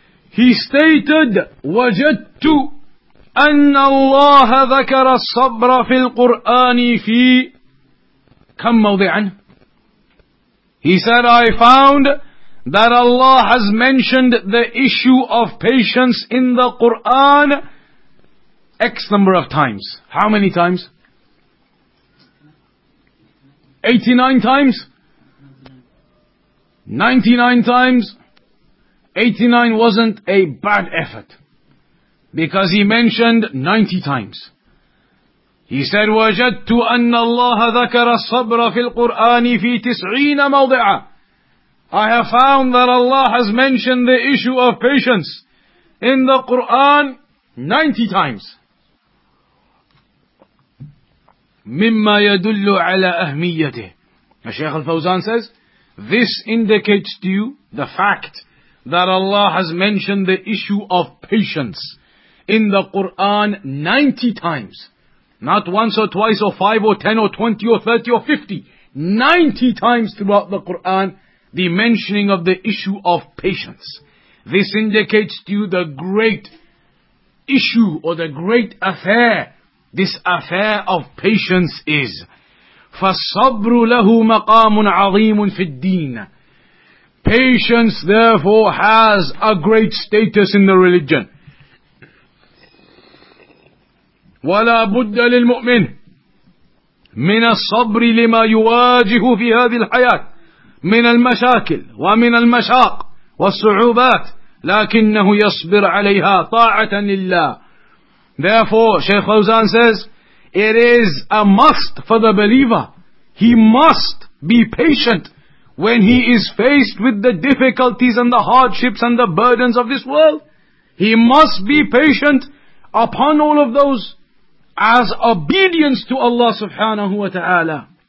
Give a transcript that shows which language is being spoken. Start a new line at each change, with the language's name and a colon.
English: He stated,
Arabic: وَجَدْتُ أَنَّ اللَّهَ ذَكَرَ الصَّبْرَ فِي الْقُرْآنِ فِي كَمْ مَوْضِعًا.
English: He said, I found that Allah has mentioned the issue of patience in the Qur'an X number of times. How many times? 89 times? 99 times? 89 wasn't a bad effort, because he mentioned 90 times. He said,
Arabic: وَجَدْتُ أَنَّ اللَّهَ ذَكَرَ الصَّبْرَ فِي الْقُرْآنِ فِي 90 مَوْضِعًا.
English: I have found that Allah has mentioned the issue of patience in the Qur'an 90 times.
Arabic: مِمَّا يَدُلُّ عَلَىٰ أَهْمِيَّتِهِ.
English: Shaykh al-Fawzan says, this indicates to you the fact that Allah has mentioned the issue of patience in the Qur'an 90 times. Not once or twice or 5 or 10 or 20 or 30 or 50. 90 times throughout the Qur'an, the mentioning of the issue of patience. This indicates to you the great issue or the great affair this affair of patience is.
Arabic: فَالصَّبْرُ لَهُ مَقَامٌ عَظِيمٌ فِي الدِّينَ.
English: Patience therefore has a great status in the religion.
Arabic: وَلَا بُدَّ لِلْمُؤْمِنِ مِنَ الصَّبْرِ لِمَا يُوَاجِهُ فِي هَذِي الْحَيَاةِ من المشاكل ومن المشاق والصعوبات لكنه يصبر عليها طاعة لله.
English: Therefore, Shaykh Fawzan says, it is a must for the believer. He must be patient when he is faced with the difficulties and the hardships and the burdens of this world. He must be patient upon all of those as obedience to Allah subhanahu wa ta'ala.